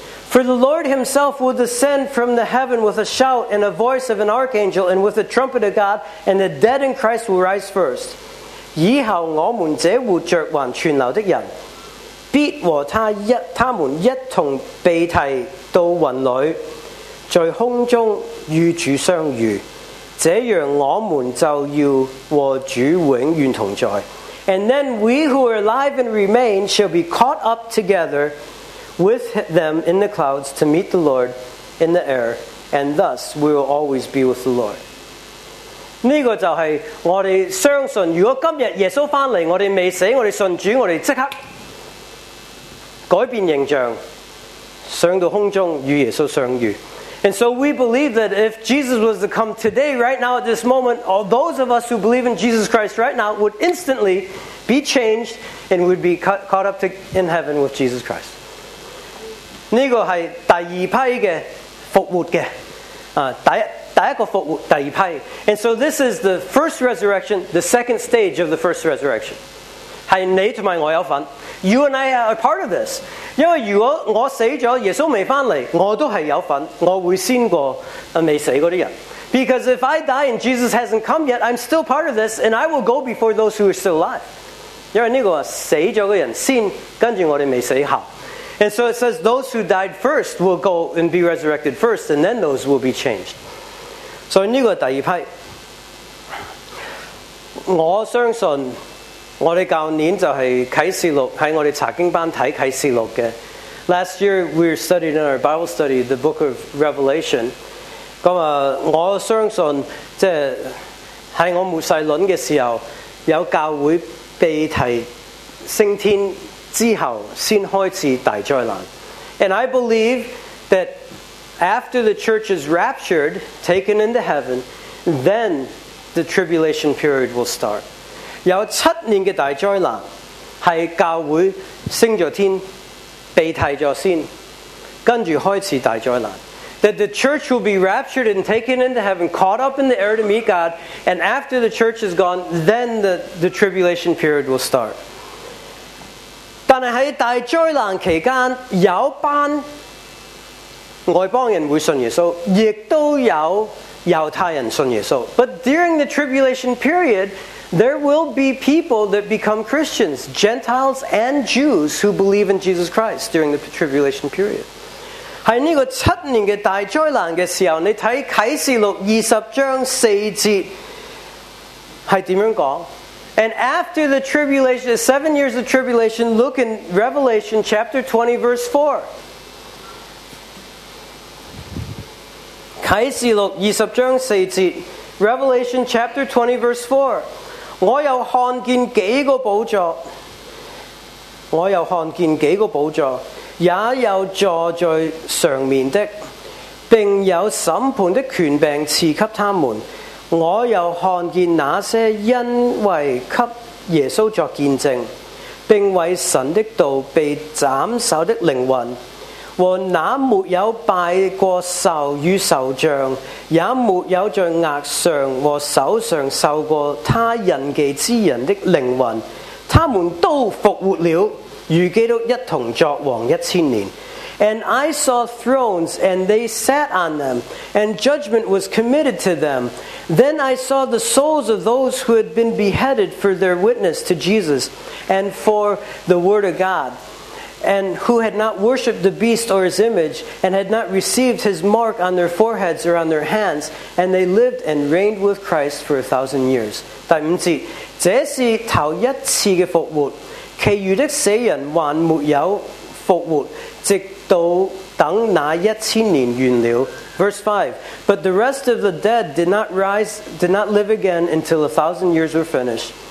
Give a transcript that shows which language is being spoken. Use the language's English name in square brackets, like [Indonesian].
[English] For the Lord himself will descend from the heaven with a shout and a voice of an archangel and with the trumpet of God, and the dead in Christ will rise first. [Chinese] 以后我们这活着还存留的人必和他们一同被提到云里，在空中与主相遇，这样我们就要和主永远同在。 [English] And then we who are alive and remain shall be caught up together with them in the clouds to meet the Lord in the air, and thus we will always be with the Lord. [Chinese] 这个就是我们相信，如果今天耶稣回来，我们未死，我们信主，我们立刻改变形象，上到空中与耶稣相遇。 [English] And so we believe that if Jesus was to come today, right now at this moment, all those of us who believe in Jesus Christ right now would instantly be changed and would be caught up in heaven with Jesus Christ. [Chinese] 这个是第二批的复活的、第一个复活，第二批。 [English] And so this is the first resurrection, the second stage of the first resurrection. [Chinese] 是你和我有份， [English] You and I are part of this. [Chinese] 因为如果我死了，耶稣没回来，我都是有份，我会先过没死过的人。 [English] Because if I die and Jesus hasn't come yet, I'm still part of this, and I will go before those who are still alive. [Chinese] 因为这个死了的人先，跟着我们没死后。 [English] And so it says those who died first will go and be resurrected first, and then those will be changed. [Chinese] So 这个第二批，我相信我们去年就是启示录，在我们查经班看启示录的。 [English] Last year we studied in our Bible study the book of Revelation. [Chinese] 我相信在我末世论的时候，有教会被提升天之后先开始大灾难。 [English] And I believe that after the church is raptured, taken into heaven, then the tribulation period will start. [Chinese] 有七年的大灾难是教会升了天被提了先，跟着开始大灾难。 [English] That the church will be raptured and taken into heaven, caught up in the air to meet God, and after the church is gone, then the tribulation period will start. [Chinese] 但是在大灾难期间，有班外邦人会信耶稣，亦都有犹太人信耶稣。 [English] But during the tribulation period, there will be people that become Christians, Gentiles and Jews who believe in Jesus Christ during the tribulation period. [Chinese] 在这个七年的大灾难的时候，你看启示录二十章四节是怎样讲？ [English] And after the tribulation, the 7 years of tribulation, look in Revelation chapter 20, verse 4. [Chinese] 启示录二十章四节 [English] Revelation chapter 20, verse 4. [Chinese] 我又看见几个宝座，我又看见几个宝座，也有坐在上面的，并有审判的权柄赐给他们。我又看见那些因为给耶稣作见证，并为神的道被斩首的灵魂，和那没有拜过兽与兽像，也没有在额上和手上受过他印记之人的灵魂，他们都复活了，与基督一同作王一千年。 [English] And I saw thrones, and they sat on them, and judgment was committed to them. Then I saw the souls of those who had been beheaded for their witness to Jesus and for the word of God. and who had not worshipped the beast or his image, and had not received his mark on their foreheads or on their hands, and they lived and reigned with Christ for 1,000 years. [Chinese] 第五節, 這是頭一次的復活, 其餘的死人還沒有復活, 直到等那1,000年完了。 [English] Verse 5, but the rest of the dead did not live again until 1,000 years were finished.